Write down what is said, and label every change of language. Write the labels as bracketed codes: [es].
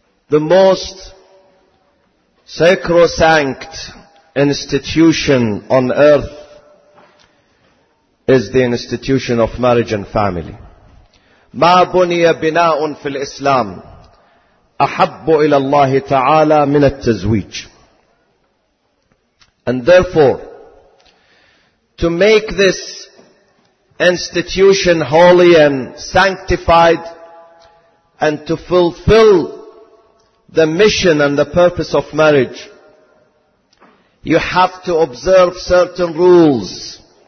[en] The most sacrosanct institution on earth is the institution of marriage and family. [ar] ما بني بناء في الإسلام أحب إلى الله تعالى من التزويج. [en] And therefore, to make this institution holy and sanctified, and to fulfill the mission and the purpose of marriage, you have to observe certain rules.